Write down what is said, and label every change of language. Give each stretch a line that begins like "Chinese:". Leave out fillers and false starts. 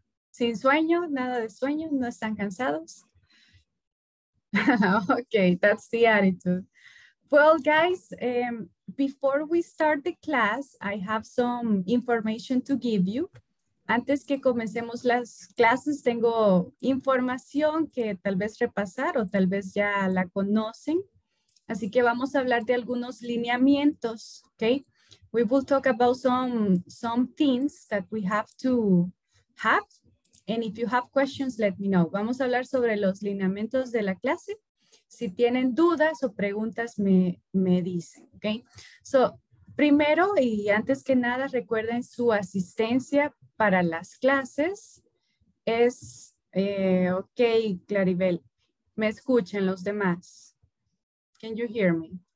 Spanish: Sin sueño, nada de sueño, no están cansados.
English: Okay, that's the attitude. Well, guys, before we start the class, I have some information to give you.
Spanish: Antes que comencemos las clases, tengo información que tal vez repasar o tal vez ya la conocen. Así que vamos a hablar de algunos lineamientos, okay?
English: We will talk about some things that we have to have. And if you have questions, let me know.
Spanish: Vamos a hablar sobre los lineamientos de la clase. Si tienen dudas o preguntas, me dicen, okay? So, primero y antes que nada, recuerden su asistencia para las clases. Es, okay, Claribel, me escuchan los demás.
English: Can you hear me?